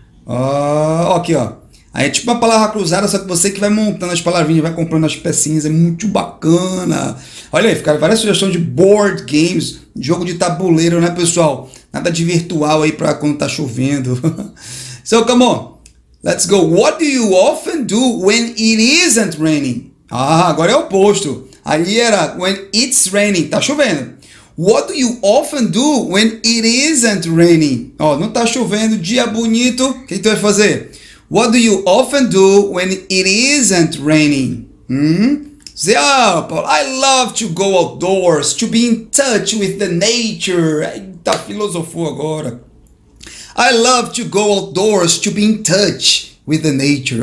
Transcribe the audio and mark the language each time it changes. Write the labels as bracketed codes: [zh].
[pt] Ó, aqui, ó. Aí é tipo uma palavra cruzada, só que você que vai montando as palavrinhas, vai comprando as pecinhas, é muito bacana. Olha aí, ficaram várias sugestões de board games, jogo de tabuleiro, né, pessoal? Nada de virtual aí pra quando tá chovendo. [en] So, come on, let's go. What do you often do when it isn't raining? [pt] Ah, agora é o oposto. Ali era, [en] when it's raining, [pt] tá chovendo. [en] What do you often do when it isn't raining? [pt] Ó, não tá chovendo, dia bonito, o que tu vai fazer? [en] What do you often do when it isn't raining? Zé, Paulo, I love to go outdoors, to be in touch with the nature. [pt] Eita, filosofou agora. [en] I love to go outdoors, to be in touch with the nature.